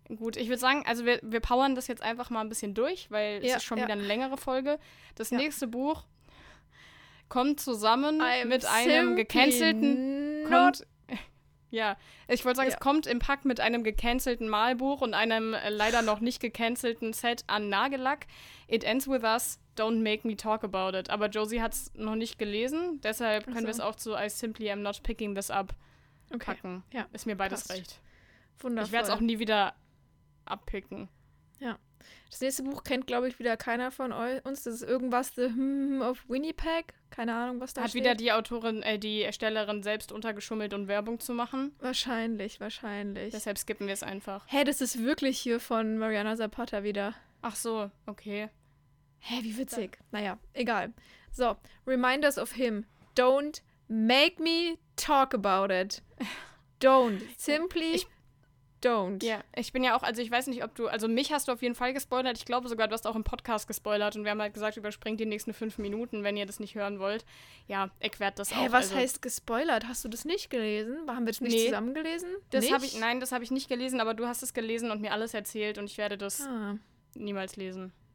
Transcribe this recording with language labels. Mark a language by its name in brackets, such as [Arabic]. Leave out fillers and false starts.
[German] Gut, ich würde sagen, also wir powern das jetzt einfach mal ein bisschen durch, weil es ist schon wieder eine längere Folge. Das nächste Buch kommt zusammen mit einem gecancelten... Ja, ich wollte sagen, ja. Es kommt im Pack mit einem gecancelten Malbuch und einem leider noch nicht gecancelten Set an Nagellack. [English] It ends with us, don't make me talk about it. [German] Aber Josie hat es noch nicht gelesen, deshalb können wir es auch so als [English] simply I'm not picking this up [German] packen. Ja. Ist mir beides recht. Wundervoll. Ich werde es auch nie wieder abpicken. Ja. Das nächste Buch kennt, glaube ich, wieder keiner von uns. Das ist irgendwas The Hmm of Winnipeg. Keine Ahnung, was da steht. Hat wieder die Autorin, die Erstellerin selbst untergeschummelt, um Werbung zu machen? Wahrscheinlich, wahrscheinlich. Deshalb skippen wir es einfach. Hä, das ist wirklich hier von Mariana Zapata wieder. Ach so, okay. Hä, wie witzig. Naja, egal. So, Reminders of Him. [English] Don't make me talk about it. Don't. Simply... Don't. [German] Ja, ich bin ja auch, also ich weiß nicht, ob du, also mich hast du auf jeden Fall gespoilert. Ich glaube sogar, du hast auch im Podcast gespoilert und wir haben halt gesagt, überspringt die nächsten 5 Minuten, wenn ihr das nicht hören wollt. Ja, ich werde das auch. Hä, was also, heißt gespoilert? Hast du das nicht gelesen? Haben wir das nicht zusammen gelesen? Nein, das habe ich nicht gelesen, aber du hast es gelesen und mir alles erzählt und ich werde das niemals lesen.